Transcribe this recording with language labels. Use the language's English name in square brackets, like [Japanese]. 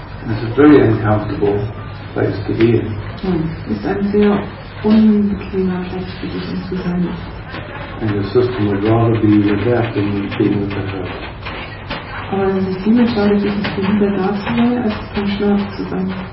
[English] It's a very uncomfortable place to be in. [German] Ist ein sehr unbequemer Platz für dich zu sein. [English] And the system would rather be with that than being with the hurt. [German] Aber das System entscheidet sich, dass ich lieber da zu sein, als im Schmerz zu sein.